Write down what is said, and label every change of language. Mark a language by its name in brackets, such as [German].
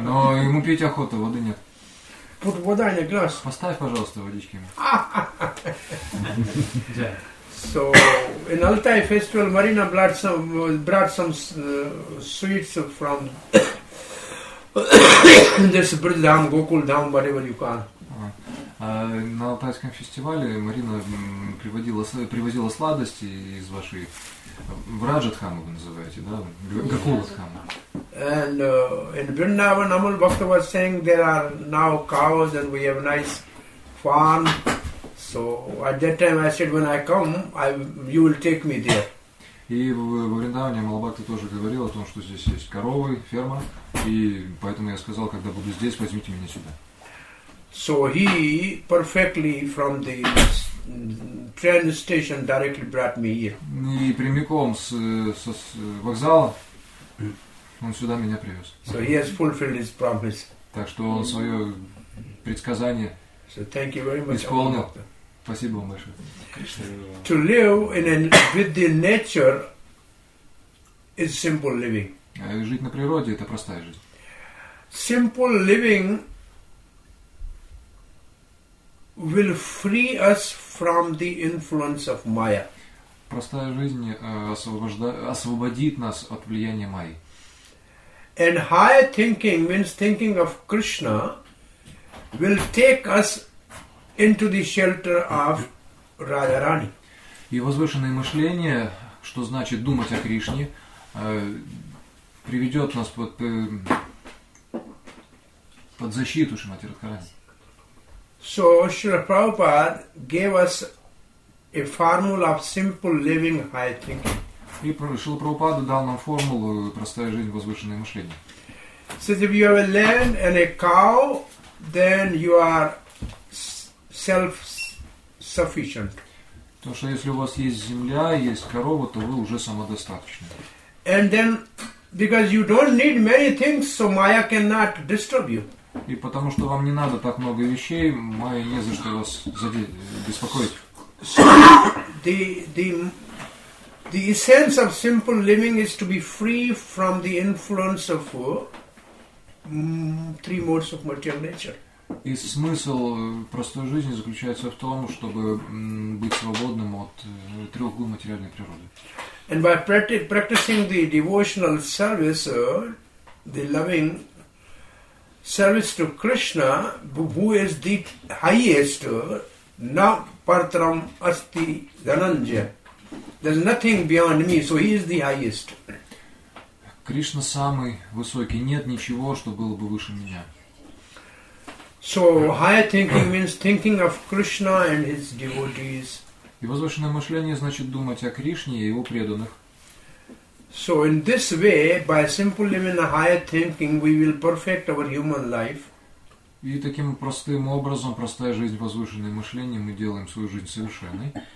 [Russian] Но ему пить охота, воды нет. [English] Put вода in a glass. [Russian] Поставь, пожалуйста, водички. [English] So, in Altai festival, Marina brought some sweets from this Bridham, Gokul Dham, whatever you call. [Russian] На Алтайском фестивале Марина привозила сладости из вашей Враджатхамы, вы называете, да? Гакуладхамы. [English] And in Vrindavan, Amal Bhakta was saying there are now cows and we have nice farm. So at that time I said, when I come, you will take me there. [Russian] И в Вриндаване Амалабхакта тоже говорил о том, что здесь есть коровы, ферма, и поэтому я сказал, когда буду здесь, возьмите меня сюда. [English] So he perfectly from the train station directly brought me here. [Russian] И прямиком с вокзала он сюда меня привез. [English] So he has fulfilled his promise. [Russian] Так что он свое предсказание исполнил. Спасибо вам большое. [English] To live in with the nature is simple living. [Russian] Жить на природе – это простая жизнь. [English] Simple living will free us from the influence of Maya. [Russian] Простая жизнь освободит нас от влияния Майи. [English] And high thinking means thinking of Krishna will take us into the shelter of Radharani. [Russian] И возвышенное мышление, что значит думать о Кришне, приведет нас под защиту Шримати Радхарани. [English] So Srila Prabhupada gave us a formula of simple living, high thinking. [Russian] И Шрила Прабхупада дал нам формулу простая жизнь, возвышенное мышление. [English] So if you have a land and a cow, then you are self-sufficient. [Russian] То, что если у вас есть земля, есть корова, то вы уже самодостаточны. [English] And then, because you don't need many things, so Maya cannot disturb you. [Russian] И потому что вам не надо так много вещей, Майя не за что вас беспокоить. [English] So the essence of simple living is to be free from the influence of three modes of material nature. [Russian] И смысл простой жизни заключается в том, чтобы быть свободным от трех гун материальной природы. [English] And by practicing the devotional service, the loving service to Krishna, who is the highest, [Sanskrit] na partram asti dhananjaya. [English] There's nothing beyond me, so he is the highest. [Russian] Кришна самый высокий, нет ничего, что было бы выше меня. [English] So higher thinking means thinking of Krishna and his devotees. [Russian] И возвышенное мышление значит думать о Кришне и его преданных. [English] So in this way, by simple living and higher thinking, we will perfect our human life. [Russian] И таким простым образом, простая жизнь, возвышенное мышление, мы делаем свою жизнь совершенной.